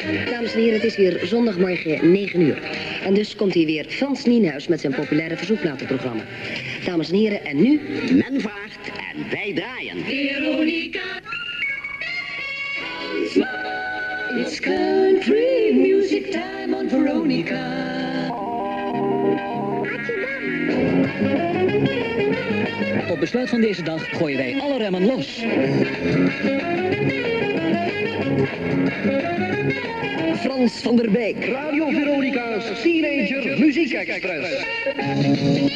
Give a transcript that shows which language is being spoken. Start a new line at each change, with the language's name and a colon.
Dutch: Dames en heren, het is weer zondagmorgen 9 uur. En dus komt hier weer Frans Nienhuis met zijn populaire verzoekplatenprogramma. Dames en heren, en nu? Men vraagt en wij draaien. Veronica.
English: It's country music time on Veronica.
Dutch: Tot besluit van deze dag gooien wij alle remmen los. Frans van der Beek, Radio Veronica's Teenager Muziek Express.